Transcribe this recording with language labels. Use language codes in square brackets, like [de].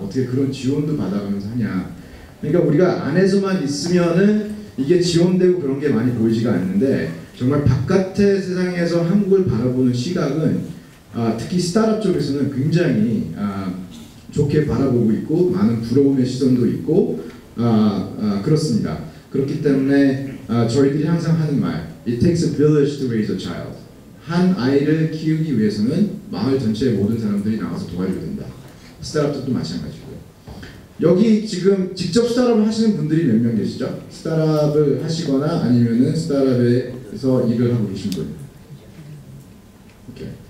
[ko] 어떻게 그런 지원도 받아가면서 하냐. 그러니까 우리가 안에서만 있으면은 이게 지원되고 그런 게 많이 보이지가 않는데 정말 바깥의 세상에서 한국을 바라보는 시각은 특히 스타트업 쪽에서는 굉장히 좋게 바라보고 있고 많은 부러움의 시선도 있고 그렇습니다. 그렇기 때문에 저희들이 항상 하는 말 [en] It takes a village to raise a child. [ko] 한 아이를 키우기 위해서는 마을 전체의 모든 사람들이 나와서 도와줘야 된다. 스타트업도 마찬가지고요. 여기 지금 직접 스타트업을 하시는 분들이 몇 명 계시죠? 스타트업을 하시거나 아니면은 스타트업에서 일을 하고 계신 분. 오케이.